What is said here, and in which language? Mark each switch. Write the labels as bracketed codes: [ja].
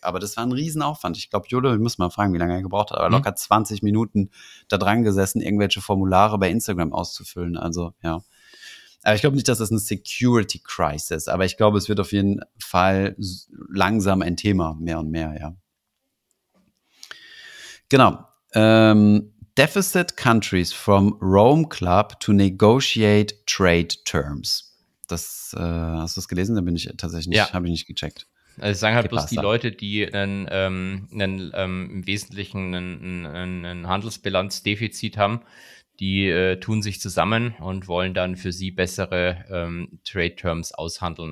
[de] Aber das war ein Riesenaufwand. Ich glaube, Jule, ich muss mal fragen, wie lange er gebraucht hat, aber locker 20 Minuten da dran gesessen, irgendwelche Formulare bei Instagram auszufüllen. Also, ja. Aber ich glaube nicht, dass das eine Security Crisis ist. Aber ich glaube, es wird auf jeden Fall langsam ein Thema, mehr und mehr, ja. Genau. [en] Deficit countries from Rome Club to negotiate trade terms. [de] Das hast du das gelesen? Da bin ich tatsächlich nicht, habe ich nicht gecheckt. Also sagen halt bloß die Leute, die im Wesentlichen einen Handelsbilanzdefizit haben, die tun sich zusammen und wollen dann für sie bessere Trade Terms aushandeln.